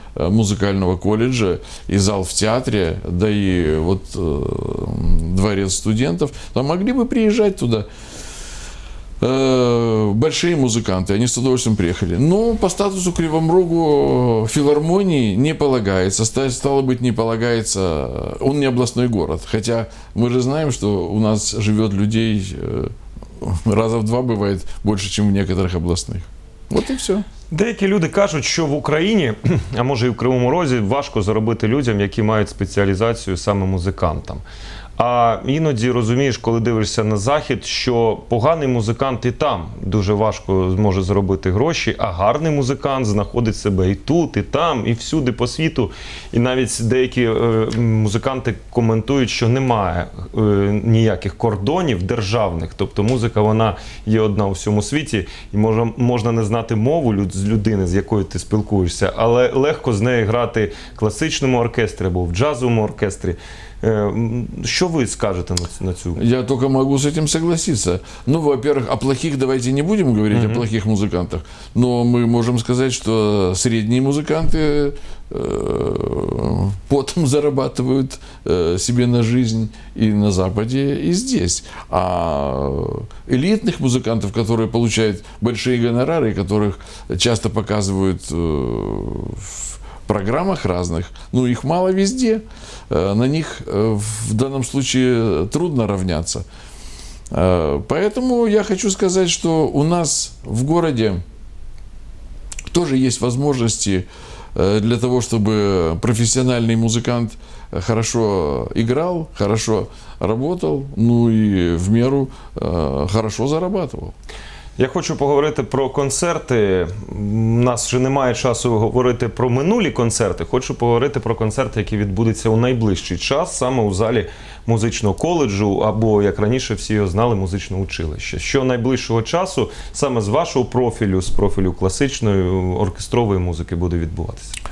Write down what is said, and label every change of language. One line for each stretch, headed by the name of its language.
Russian: музыкального колледжа, и зал в театре, да и вот дворец студентов, там могли бы приезжать туда большие музыканты, они с удовольствием приехали. Но по статусу Кривому Рогу филармонии не полагается, стало быть, не полагается, он не областной город. Хотя мы же знаем, что у нас живет людей раза в два бывает больше, чем в некоторых областных.
Ukrainian: Вот і все. Деякі люди кажуть, що в Україні, а може і в Кривому Розі, важко заробити людям, які мають спеціалізацію саме музикантам. А іноді розумієш, коли дивишся на Захід, що поганий музикант і там дуже важко зможе заробити гроші, а гарний музикант знаходить себе і тут, і там, і всюди по світу. І навіть деякі музиканти коментують, що немає ніяких кордонів державних. Тобто музика, вона є одна у всьому світі, і можна не знати мову з людини, з якою ти спілкуєшся, але легко з нею грати в класичному оркестрі або в джазовому оркестрі.
Russian: Что вы скажете на эту? Я только могу с этим согласиться. Ну, во-первых, о плохих давайте не будем говорить, о плохих музыкантах. Но мы можем сказать, что средние музыканты потом зарабатывают себе на жизнь и на Западе, и здесь. А элитных музыкантов, которые получают большие гонорары, которых часто показывают в программах разных, ну, их мало везде. На них в данном случае трудно равняться. Поэтому я хочу сказать, что у нас в городе тоже есть возможности для того, чтобы профессиональный музыкант хорошо играл, хорошо работал, ну и в меру хорошо зарабатывал.
Ukrainian: Я хочу поговорити про концерти. У нас вже немає часу говорити про минулі концерти. Хочу поговорити про концерти, які відбудуться у найближчий час, саме у залі музичного коледжу, або, як раніше всі його знали, музичне училище. Що найближчого часу саме з вашого профілю, з профілю класичної оркестрової музики буде відбуватися?